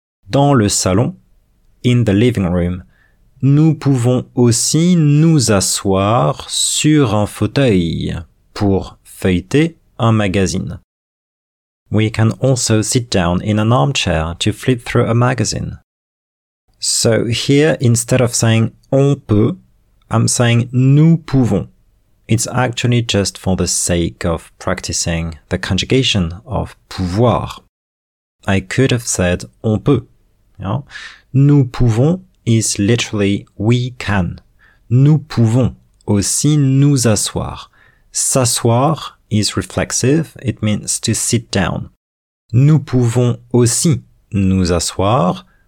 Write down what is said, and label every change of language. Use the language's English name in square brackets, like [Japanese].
[French] Dans le salon, [English] in the living room, [French] nous pouvons aussi nous asseoir sur un fauteuil pour feuilleter un magazine. [English] We can also sit down in an armchair to flip through a magazine. So here, instead of saying on peut, I'm saying nous pouvons. It's actually just for the sake of practicing the conjugation of pouvoir. I could have said on peut. You know? Nous pouvons is literally we can. [French] Nous pouvons aussi nous asseoir. [English] S'asseoir is reflexive. It means to sit down. [French] Nous pouvons aussi nous asseoir.